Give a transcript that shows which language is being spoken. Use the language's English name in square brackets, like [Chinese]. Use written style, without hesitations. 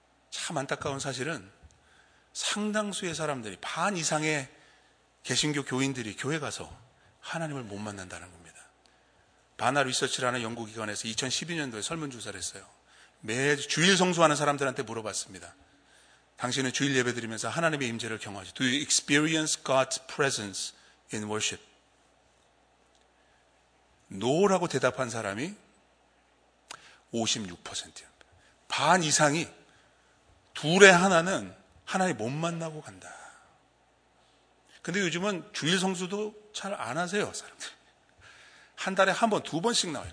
[Korean] 참 안타까운 사실은 상당수의 사람들이, 반 이상의 개신교 교인들이 교회 가서 하나님을 못 만난다는 겁니다. 바나 리서치라는 연구기관에서 2012년도에 설문조사를 했어요. 매 주일 성수하는 사람들한테 물어봤습니다. 당신은 주일 예배드리면서 하나님의 임재를 경험하죠. [English] Do you experience God's presence in worship? [Korean] No라고 대답한 사람이 56%입니다. 반 이상이 둘의 하나는 하나님 못 만나고 간다. 근데 요즘은 주일 성수도 잘 안 하세요, 사람들. 한 달에 한 번, 두 번씩 나와요.